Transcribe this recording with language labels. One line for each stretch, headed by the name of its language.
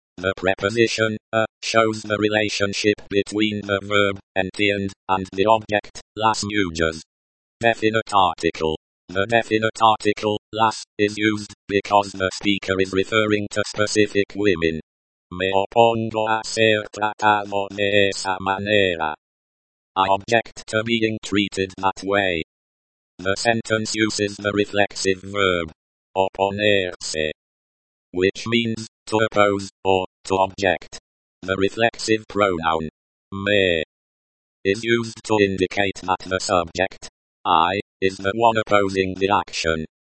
English: The preposition, a, shows the relationship between the verb, entiende, and the object, las mujeres. Definite article. The definite article, las, is used, because the speaker is referring to specific women.
Spanish: Me opongo a ser tratado de esa manera.
English: I object to being treated that way. The sentence uses the reflexive verb, oponerse, which means to oppose or to object. The reflexive pronoun, me, is used to indicate that the subject, I, is the one opposing the action.